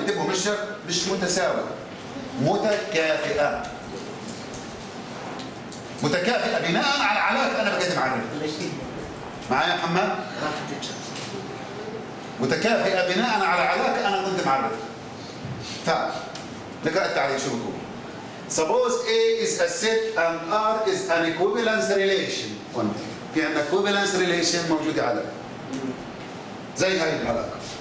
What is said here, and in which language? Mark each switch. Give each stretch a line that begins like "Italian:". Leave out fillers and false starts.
Arabic: انتبهوا مش متساوية، متكافئة متكافئة بناء على العلاقة أنا بقدم عليها. معايا محمد؟ متكافئة بناء على العلاقة أنا كنت معرفها. فنقرأ التعليق شو بقول.
English: Suppose A is a set and R is an equivalence relation.
Arabic: في عندنا equivalence relation موجودة على زي هاي العلاقة.